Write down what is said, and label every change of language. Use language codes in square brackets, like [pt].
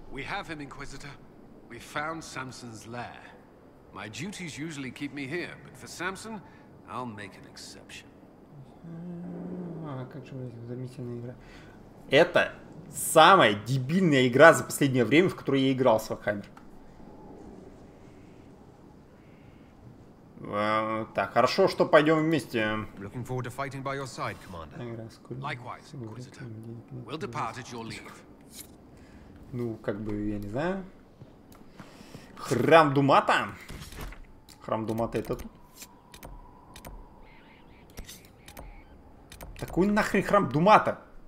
[en] We have him, Inquisitor. We found Samson's lair. My duties usually keep me here, but for Samson, I'll make an exception. [ru] Как же замечательная игра. Это самая дебильная игра за последнее время, в которую я играл с Вархаммер. Так, хорошо, что пойдем вместе. [en] Looking forward to fighting by your side, Commander. Likewise, Inquisitor. We'll depart at your leave. [ru] Ну, как бы, я не знаю. Храм Думата. Храм Думата это тут? Такой нахрен храм Думата?